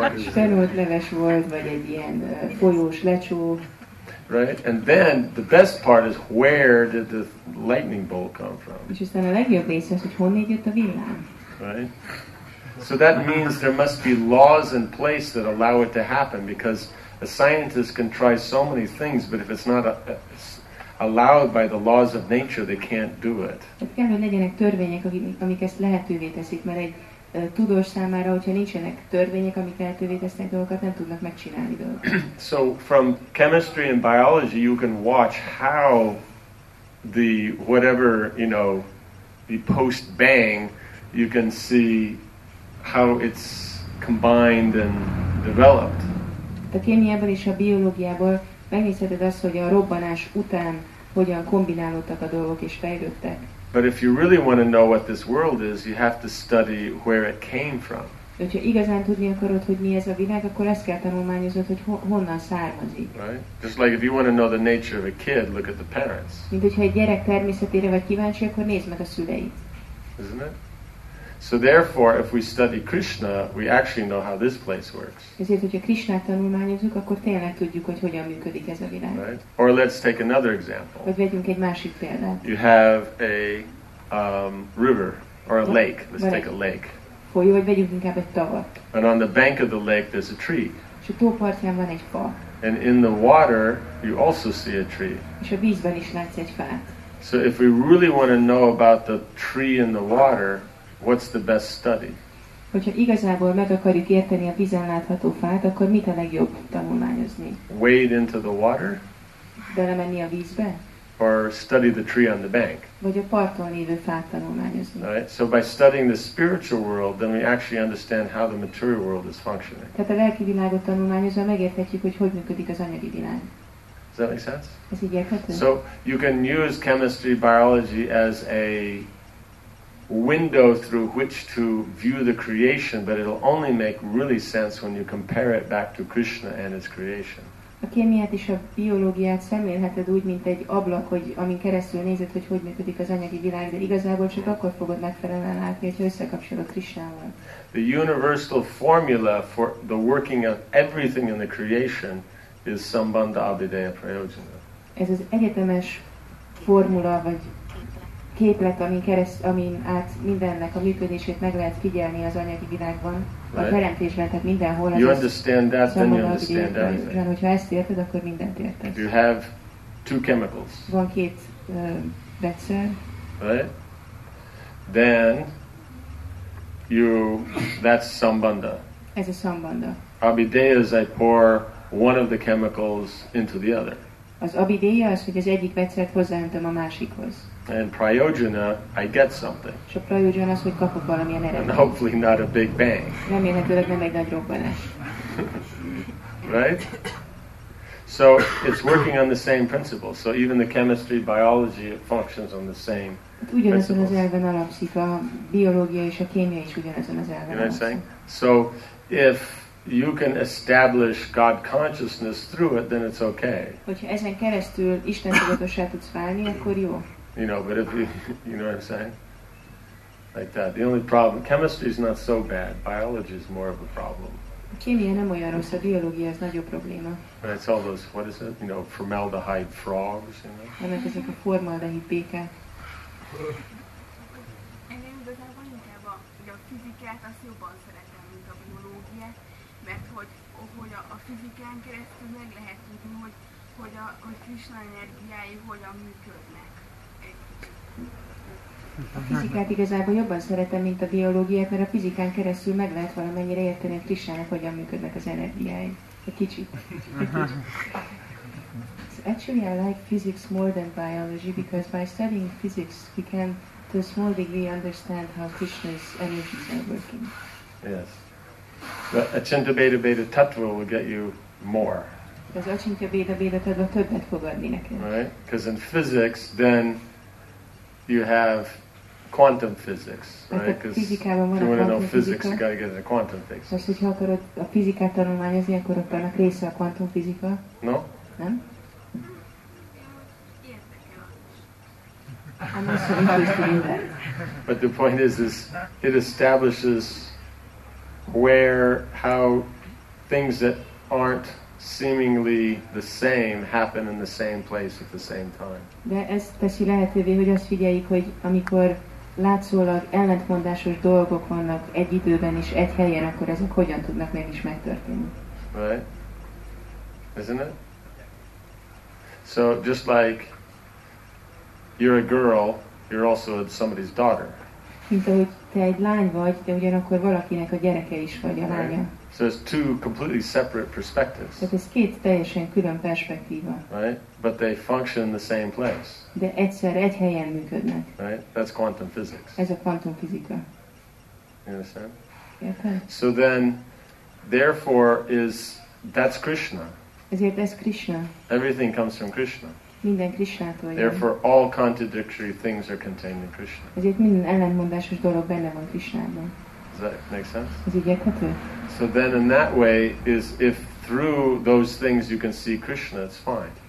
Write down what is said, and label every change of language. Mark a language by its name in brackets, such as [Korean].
[Hungarian] Fenolt leves volt, vagy egy ilyen folyós lecsó. [English] Right, and then the best part is where did the lightning bolt come from? Which is then a legio basis, which [Hungarian] honnan jött a villám. [English] Right, so that means there must be laws in place that allow it to happen, because a scientist can try so many things, but if it's not allowed by the laws of nature, they can't do it. [Hungarian] Tehát kell, hogy legyenek törvények, amik ezt lehetővé teszik, mert egy tudós számára, hogyha nincsenek törvények, amik lehetővé tesznek dolgokat, nem tudnak megcsinálni dolgokat. [English] So from chemistry and biology you can watch how the whatever, you know, the post bang, you can see how it's combined and developed. [Hungarian] A kémiából és a biológiából megnézheted azt, hogy a robbanás után hogyan kombinálódtak a dolgok és fejlődtek. [English] But if you really want to know what this world is, you have to study where it came from. [Hungarian] Hogyha igazán tudni akarod, hogy mi ez a világ, akkor ezt kell tanulmányozod, hogy honnan származik. [English] Right? Just like if you want to know the nature of a kid, look at the parents. [Hungarian] Mint hogyha egy gyerek természetére vagy kíváncsi, akkor nézd meg a szüleit. [English] Isn't it? So therefore, if we study Krishna, we actually know how this place works. [Hungarian] Ezért, hogyha Krishnát tanulmányozunk, akkor tényleg tudjuk, hogy hogyan működik ez a világ. [English] Right? Or let's take another example. [Hungarian] Vagy vegyünk egy másik példát. [English] You have a river or a lake. Let's take a lake. [Hungarian] Folyó, vagy vegyünk inkább egy tavat. [English] And on the bank of the lake, there's a tree. [Hungarian] És a tópartján van egy fa. [English] And in the water, you also see a tree. [Hungarian] És a vízben is látsz egy fát. [English] So if we really want to know about the tree in the water, what's the best study? [Hungarian] Hogyha igazából meg akarjuk érteni a vízen látható fát, akkor mit a legjobb tanulmányozni? [English] Wade into the water? [Hungarian] Belemenni a vízbe? [English] Or study the tree on the bank? [Hungarian] Vagy a parton lévő fát tanulmányozni? [English] Right? So by studying the spiritual world, then we actually understand how the material world is functioning. [Hungarian] Tehát a lelki világot tanulmányozva megérthetjük, hogy hogyan működik az anyagi világ. [English] Does that make sense? [Hungarian] Ez így érthető? [English] So you can use chemistry, biology as a window through which to view the creation, but it'll only make really sense when you compare it back to Krishna and his creation. [Hungarian] A kémiát és a biológiát szemlélheted úgy, mint egy ablak, hogy amin keresztül nézed, hogy hogyan működik az anyagi világ, de igazából csak akkor fogod megfelelően látni, hogyha összekapcsolod Krishnával. [English] The universal formula for the working of everything in the creation is Sambandha Abhideya Prayojana. [Hungarian] Ez az egyetemes formula vagy képlet, amin át mindennek a működését meg lehet figyelni az anyagi világban, a teremtésben, tehát mindenhol. [English] You understand that, then you understand everything. [Hungarian] Hogyha ezt érted, akkor mindent érted. [English] You have two chemicals. [Hungarian] Van két vegyszer. [English] Right? Then you, that's sambandha. [Hungarian] Ez a sambandha. [English] Abhideya is I pour one of the chemicals into the other. [Hungarian] Az abhideya az, hogy az egyik vegyszert hozzáöntöm a másikhoz. [English] And prayojana, I get something. [Hungarian] És a prayojana az, hogy kapok valamilyen eredményt. [English] And hopefully not a big bang. [Hungarian] Remélhetőleg nem egy nagy robbanás. [English] Right? So it's working on the same principle. So even the chemistry, biology, it functions on the same principle. [Hungarian] Ugyanazon az elven alapszik, a biológia és a kémia is ugyanazon az elven. [English] You know what I'm saying? So if you can establish God consciousness through it, then it's okay. [Hungarian] Hogyha ezen keresztül Isten tudatossá tudsz válni, akkor jó. [English] You know, but if you know what I'm saying? Like that. The only problem, chemistry is not so bad. Biology is more of a problem. [Hungarian] A kémia nem olyan rossz, a biológia ez nagyobb probléma. [English] And it's all those, what is it? You know, formaldehyde frogs, you know? [Hungarian] Ennek ezek a formaldehyde békák. Én igazából inkább a fizikát, azt jobban szeretem, mint a biológiát, mert hogy a fizikán keresztül meg lehet tudni, hogy Krishna energiái hogyan működnek. A fizikát igazából jobban szeretem, mint a biológiát, mert a fizikán keresztül meg lehet valamennyire érteni a Krisnának, hogyan működnek az energiái. Egy kicsit. [English] So actually, I like physics more than biology, because by studying physics, we can, to a small degree, understand how Krishna's energies are working. Yes. But Achintya Beda Beda Tattva will get you more. [Hungarian] Az Achintya Beda Beda Tattva többet fog adni neked. [English] Right? Because in physics, then you have quantum physics, right? Because if you want to know physics, you got to get into quantum physics. [Hungarian] Most, hogyha akarod a fizikát tanulmányozni, akkor ott annak része a quantum fizika. [English] No? [Hungarian] Nem? [English] I'm not so interested in that. But the point is it establishes where, how things that aren't seemingly the same happen in the same place at the same time. [Hungarian] De ez teszi lehetővé, hogy azt figyeljük, hogy amikor látszólag ellentmondásos dolgok vannak egy időben és egy helyen, akkor ezek hogyan tudnak meg is megtörténni. [English] Right? Isn't it? So just like you're a girl, you're also somebody's daughter. [Hungarian] Mint ahogy te egy lány vagy, de ugyanakkor valakinek a gyereke is vagy, a lánya. [English] So it's two completely separate perspectives. [Hungarian] Tehát ez két teljesen külön perspektíva. [English] Right? But they function in the same place. [Hungarian] De egyszer egy helyen működnek. [English] Right? That's quantum physics. [Hungarian] Ez a kvantum fizika. [English] You understand? So then, therefore, is that's Krishna. [Hungarian] Ezért ez Krishna. [English] Everything comes from Krishna. [Hungarian] Minden Krishnától jön. [English] Therefore, all contradictory things are contained in Krishna. [Hungarian] Ezért minden ellentmondásos dolog benne van Krishnában. [English] Does that make sense? [Hungarian] Ez így érthető? [English] So then, in that way, is if through those things you can see Krishna, it's fine.